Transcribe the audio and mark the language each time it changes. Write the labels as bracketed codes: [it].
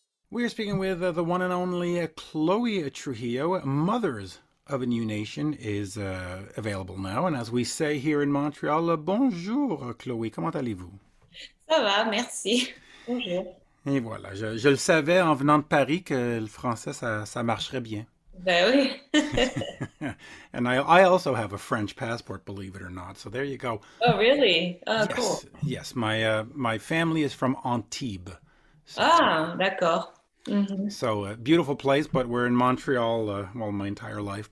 [en] We are speaking with the one and only Chloe Trujillo. Mothers of a New Nation is available now. And as we say here in Montreal, bonjour, Chloe. [fr] Comment allez-vous? Ça va, merci. Bonjour. Et voilà, je le savais en venant de Paris que le français, ça marcherait bien. Ben oui. [en] And I also have a French passport, believe it or not. So there you go. Oh, really? Yes. Cool. Yes, my family is from Antibes. [fr] So, ah, d'accord. Mm-hmm. [en] So a beautiful place, but we're in Montreal, my entire life.